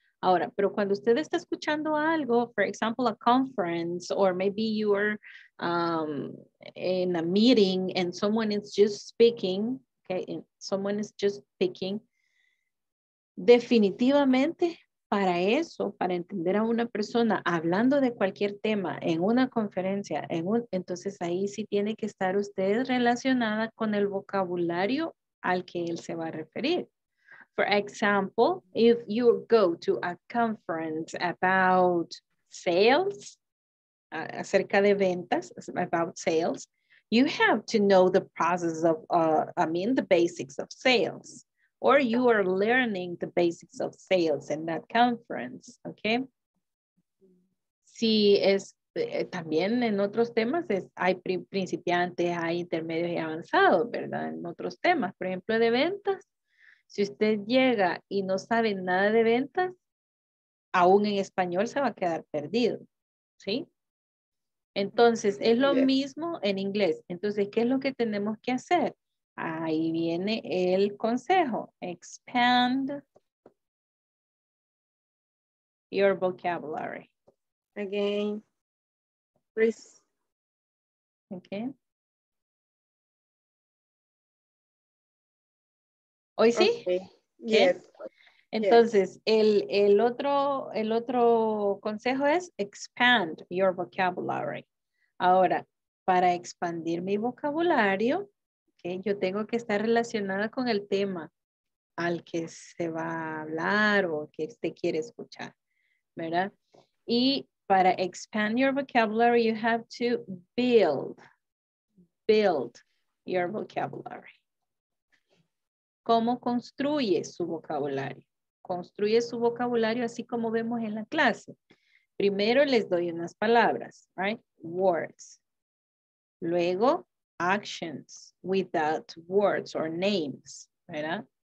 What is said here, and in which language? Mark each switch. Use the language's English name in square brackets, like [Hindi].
[Spanish] Ahora, pero cuando usted está escuchando algo, [English] for example, a conference, or maybe you are in a meeting and someone is just speaking, someone is just speaking. [Spanish] Definitivamente para eso, para entender a una persona hablando de cualquier tema en una conferencia, entonces ahí sí tiene que estar usted relacionada con el vocabulario al que él se va a referir. [English] For example, if you go to a conference about sales, [Spanish] acerca de ventas, [English] about sales, you have to know the process of, the basics of sales. or you are learning the basics of sales in that conference, okay? [Spanish] Si es también en otros temas, es, hay principiantes, hay intermedios y avanzados, ¿verdad? En otros temas, por ejemplo, de ventas. Si usted llega y no sabe nada de ventas, aún en español se va a quedar perdido, ¿sí? Entonces, es lo mismo en inglés. Entonces, ¿qué es lo que tenemos que hacer? Ahí viene el consejo. [English] Expand your vocabulary. Again, please. Okay. [Spanish] ¿Hoy sí? [English] Okay. Yes. [Spanish] Entonces, el otro consejo es [English] expand your vocabulary. [Spanish] Ahora, para expandir mi vocabulario, okay, yo tengo que estar relacionada con el tema al que se va a hablar o que usted quiere escuchar, ¿verdad? Y para [English] expand your vocabulary, you have to build your vocabulary. [Spanish] ¿Cómo construye su vocabulario? Construye su vocabulario así como vemos en la clase. Primero les doy unas palabras, right? Words. [English] Luego, actions without words or names, ¿verdad?